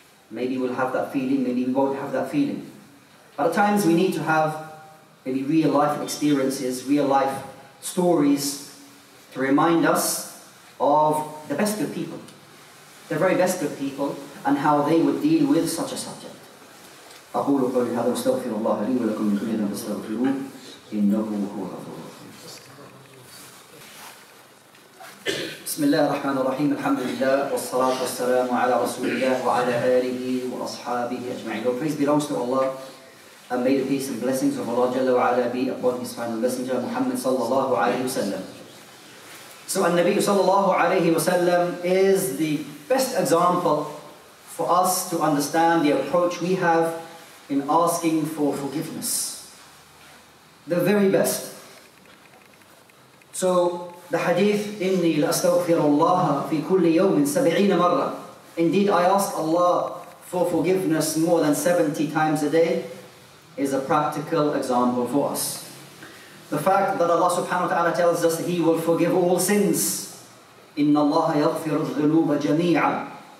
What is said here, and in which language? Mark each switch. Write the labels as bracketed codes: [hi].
[en] Maybe we'll have that feeling, maybe we won't have that feeling. But at times we need to have maybe real life experiences, real life stories to remind us of the best of people, the very best of people, and how they would deal with such a subject. [ar] أقول قولي هذا واستغفر الله لي ولكم من كل ذنب استغفروه إنه هو الغفور الرحيم. بسم الله الرحمن الرحيم الحمد لله والصلاة والسلام على رسول الله وعلى آله وأصحابه أجمعين. [en] Your praise belongs to Allah and may the peace and blessings of Allah [ar] جل وعلا [en] be upon His final messenger Muhammad [ar] صلى الله عليه وسلم. [en] So [ar] النبي صلى الله عليه وسلم [en] is the best example for us to understand the approach we have in asking for forgiveness. The very best. So the hadith, [ar] إني لأستغفر الله في كل يوم 70 مرة. [en] Indeed, I ask Allah for forgiveness more than 70 times a day, is a practical example for us. The fact that Allah subhanahu wa ta'ala tells us that He will forgive all sins. [ar] إِنَّ اللَّهَ يَغْفِرُ الذُّنُوبَ جَمِيعًا.